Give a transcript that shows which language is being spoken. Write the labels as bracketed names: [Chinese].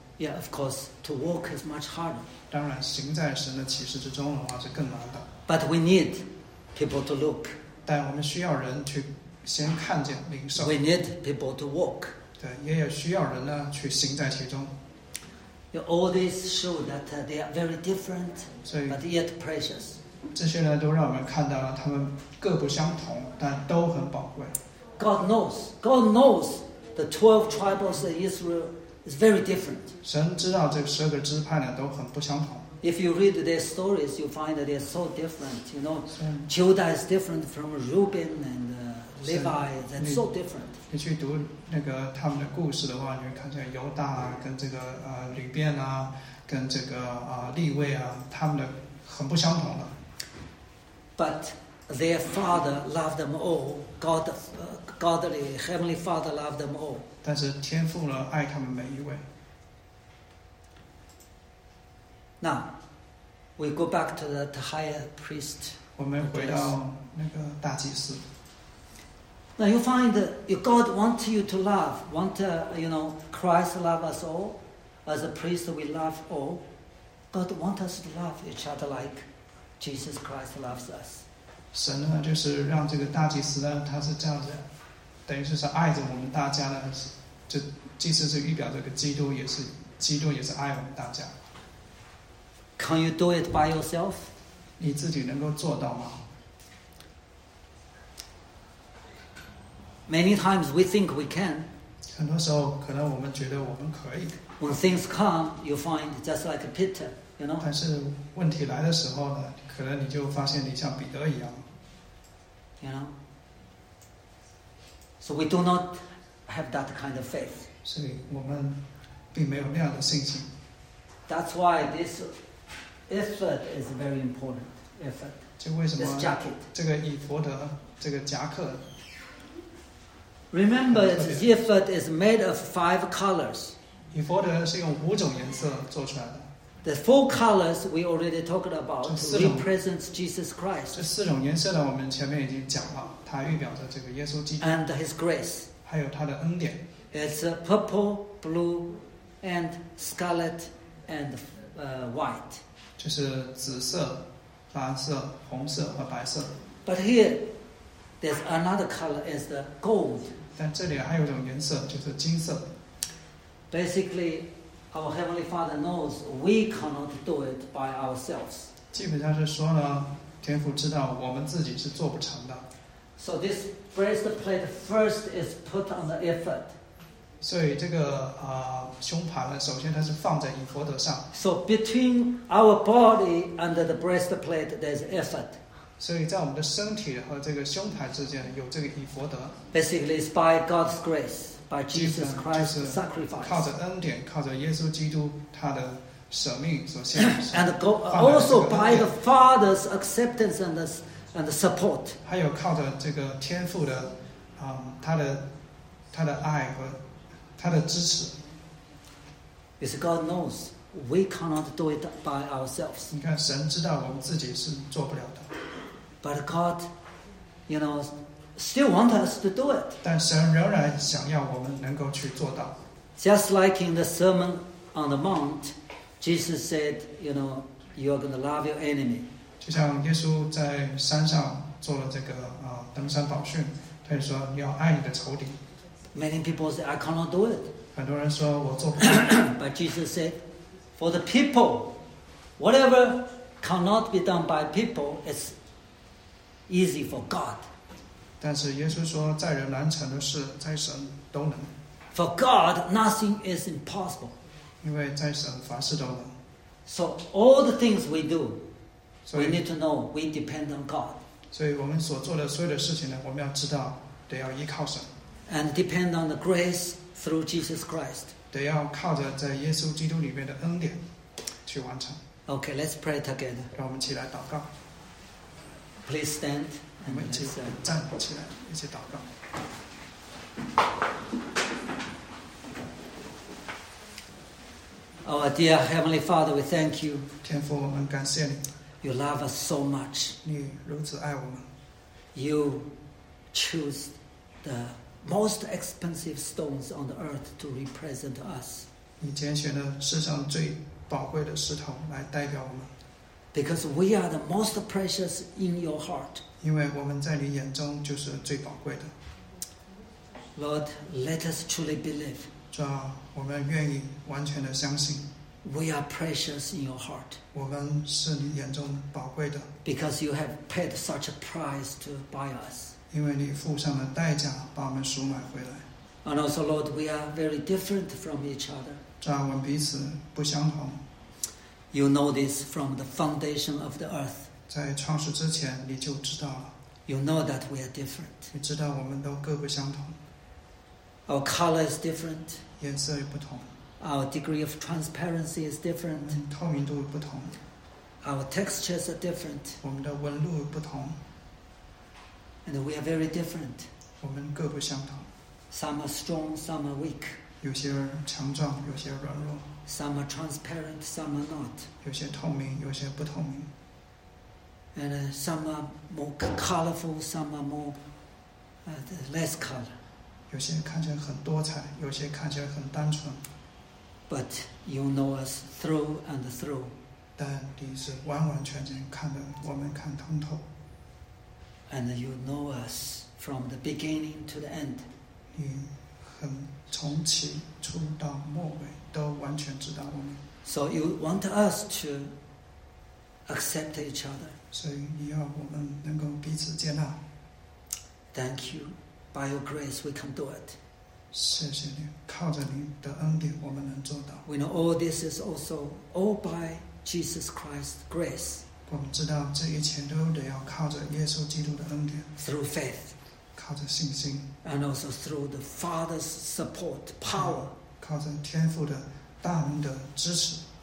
[English] Yeah, of course, to walk is much harder. [Chinese] 当然，行在神的启示之中的话是更难的。 [English] But we need people to look. [Chinese] 但我们需要人去先看见领受。 [English] We need people to walk. [Chinese] 对，也有需要人呢去行在其中。 [English] All these show that they are very different, but yet precious. [Chinese] 这些呢都让我们看到了，他们各不相同，但都很宝贵。 [English] God knows the 12 tribes of Israel. It's very different. [Chinese] 神知道这十个支派呢都很不相同。 [English] If you read their stories, you find that they're so different. You know, Judah is different from Reuben and Levi. That's so different. [Chinese] 你去读那个他们的故事的话，你会看见犹大啊，跟这个吕便啊，跟这个利未啊，他们的很不相同的。 [English] But their father loved them all. Godly heavenly father loved them all. [Chinese] 但是天父呢爱他们每一位。 [English] Now, we go back to the higher priest. [Chinese] 我们回到那个大祭司。 [English] Now you find that God wants you to love, Christ love us all, as a priest we love all. God wants us to love each other like Jesus Christ loves us. [Chinese] 神呢就是让这个大祭司呢，他是这样子，等于就是爱着我们大家的。这祭司是预表这个基督，也是基督也是爱我们大家。 [English] Can you do it by yourself? [Chinese] 你自己能够做到吗 [English] ？Many times we think we can. [Chinese] 很多时候可能我们觉得我们可以。 [English] When things come, you find just like Peter, you know. [Chinese] 但是问题来的时候呢，可能你就发现你像彼得一样。 [English] You know. So we do not. Have that kind of faith. [Chinese] 所以我们并没有那样的信心。 [English] That's why this effort is very important. Effort. [Chinese] 就为什么 [English] this jacket. [Chinese] 这个以弗德这个夹克。 [English] Remember, this effort is made of 5 colors. [Chinese] 以弗德是用五种颜色做出来的。 [English] The 4 colors we already talked about represents Jesus Christ. [Chinese] 这四种颜色呢，我们前面已经讲了，它预表着这个耶稣基督。 [English] And His grace. [Chinese] 还有他的恩典。 [English] It's purple, blue, and scarlet, and white. [Chinese] 就是紫色、蓝色、红色和白色。 [English] But here, there's another color as the gold. [Chinese] 但这里还有一种颜色，就是金色。 [English] Basically, our Heavenly Father knows we cannot do it by ourselves. [Chinese] 基本上是说呢，天父知道我们自己是做不成的。 [English] So this breastplate first is put on the effort. [Chinese] 所以这个胸牌呢，首先它是放在以弗德上。 [English] So between our body and the breastplate, there's effort. [Chinese] 所以在我们的身体和这个胸牌之间有这个以弗德。 [English] Basically, it's by God's grace, by Jesus Christ's sacrifice. [Chinese] 靠着恩典，靠着耶稣基督他的舍命所献。 [English] And also by the Father's acceptance and this. And support. [Chinese] 还有靠着这个天父的，他的爱和他的支持。 [English] It's God knows. We cannot do it by ourselves. [Chinese] 你看，神知道我们自己是做不了的。 [English] But God, you know, still wants us to do it. [Chinese] 但神仍然想要我们能够去做到。 [English] Just like in the Sermon on the Mount, Jesus said, you know, you are going to love your enemy. [Chinese] 就像耶稣在山上做了这个登山宝训，他也说你要爱你的仇敌。 [English] Many people say, I cannot do it. [Chinese] 很多人说我做不到。 [English] But Jesus said, for the people, whatever cannot be done by people, it's easy for God. [Chinese] 但是耶稣说在人难成的事在神都能。 [English] For God, nothing is impossible. [Chinese] 因为在神凡事都能。 [English] So all the things we do, we need to know we depend on God. [Chinese] 所以我们所做的所有的事情呢，我们要知道得要依靠神。 [English] And depend on the grace through Jesus Christ. [Chinese] 得要靠着在耶稣基督里面的恩典去完成。 [English] Okay, let's pray together. [Chinese] 让我们起来祷告。 [English] Please stand. [Chinese] 我们一起站起来，一起祷告。 [English] Our dear Heavenly Father, we thank you. [Chinese] 天父，我们感谢你。 [English] You love us so much. [Chinese] 你如此爱我们。 [English] You choose the most expensive stones on the earth to represent us. [Chinese] 你拣选了世上最宝贵的石头来代表我们。 [English] Because we are the most precious in your heart. [Chinese] 因为我们在你眼中就是最宝贵的。 [English] Lord, let us truly believe. [Chinese] 主啊，我们愿意完全的相信。 [English] We are precious in your heart. [Chinese] 我们是你眼中宝贵的。 [English] Because you have paid such a price to buy us. [Chinese] 因为你付上了代价把我们赎买回来。 [English] And also, Lord, we are very different from each other. [Chinese] 主啊，我们彼此不相同。 [English] You know this from the foundation of the earth. [Chinese] 在创始之前你就知道了。 [English] You know that we are different. [Chinese] 你知道我们都各不相同。 [English] Our color is different. [Chinese] 颜色也不同。 [English] Our degree of transparency is different. [Chinese] 透明度不同。 [English] Our textures are different. [Chinese] 我们的纹路不同。 [English] And we are very different. [Chinese] 我们各不相同。 [English] Some are strong, some are weak. [Chinese] 有些强壮，有些软弱。 [English] Some are transparent, some are not. [Chinese] 有些透明，有些不透明。 [English] And some are more colorful, some are more less color. [Chinese] 有些看起来很多彩，有些看起来很单纯。 [English] But you know us through and through. [Chinese] 但你是完完全全看的，我们看通透。 [English] And you know us from the beginning to the end. [Chinese] 你很从起初到末尾。都完全知道我们。 [English] So you want us to accept each other. [Chinese] 所以你要我们能够彼此接纳。 [English] Thank you. By your grace, we can do it. [Chinese] 谢谢你，靠着你的恩典，我们能做到。 [English] We know all this is also all by Jesus Christ's grace. [Chinese] 我们知道这一切都得要靠着耶稣基督的恩典。 [English] Through faith. [Chinese] 靠着信心。 [English] And also through the Father's support, power. [Chinese] 靠着天父的大能的支持。